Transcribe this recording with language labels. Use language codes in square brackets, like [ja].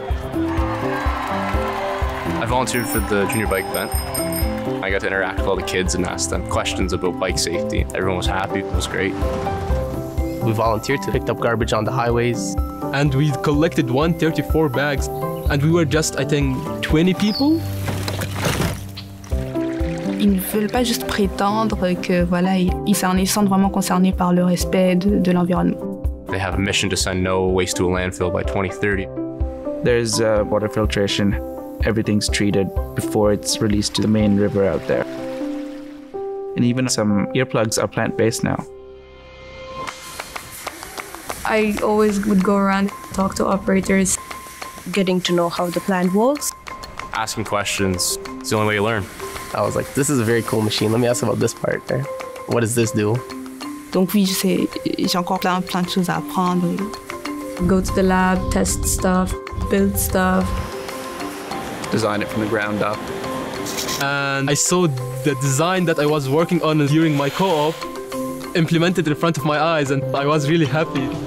[en] I volunteered for the junior bike event. I got to interact with all the kids and ask them questions about bike safety. Everyone was happy, it was great. We volunteered to pick up garbage on the highways. And we collected 134 bags, and we were just, I think, 20 people. [fr] Ils ne veulent pas juste prétendre que voilà, ils s'en sont vraiment concernés par le respect de l'environnement. [en] They have a mission to send no waste to a landfill by 2030. There's water filtration. Everything's treated before it's released to the main river out there. And even some earplugs are plant-based now. I always would go around, talk to operators, getting to know how the plant works. Asking questions, it's the only way you learn. I was like, this is a very cool machine. Let me ask about this part there. What does this do? [fr] Donc oui, je sais, j'ai encore plein de choses à apprendre. [en] Go to the lab, test stuff, build stuff. Design it from the ground up. And I saw the design that I was working on during my co-op implemented in front of my eyes, and I was really happy.